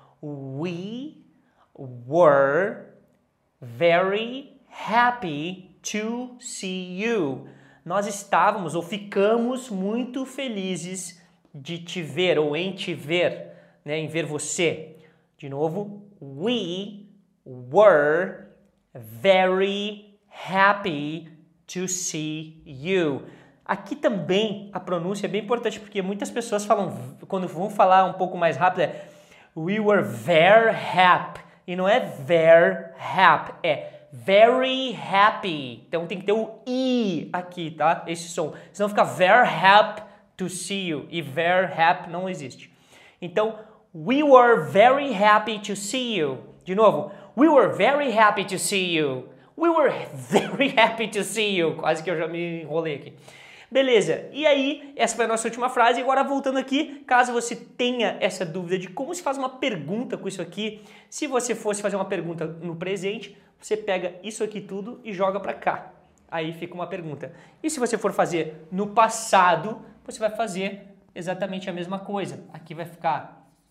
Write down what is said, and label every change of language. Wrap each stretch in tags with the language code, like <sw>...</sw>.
<en>We were very happy to see you.</en> <pt>Nós estávamos ou ficamos muito felizes de te ver ou em te ver, né, em ver você. De novo,</pt> <en>we were very happy to see you.</en> <pt>Aqui também a pronúncia é bem importante porque muitas pessoas falam, quando vão falar um pouco mais rápido, é</pt> <en>we were very happy.</en> <pt>E não é</pt> <en>very happy,</en> <pt>é very happy. Então tem que ter o I aqui, tá? Esse som. Senão fica</pt> <en>very happy to see you.</en> <pt>E</pt> <en>very happy</en> <pt>não existe. Então,</pt> <en>we were very happy to see you.</en> <pt>De novo,</pt> <en>we were very happy to see you. We were very happy to see you.</en> <pt>Quase que eu já me enrolei aqui. Beleza, e aí, essa foi a nossa última frase. Agora, voltando aqui, caso você tenha essa dúvida de como se faz uma pergunta com isso aqui, se você fosse fazer uma pergunta no presente, você pega isso aqui tudo e joga pra cá. Aí fica uma pergunta. E se você for fazer no passado, você vai fazer exatamente a mesma coisa. Aqui vai ficar...</pt>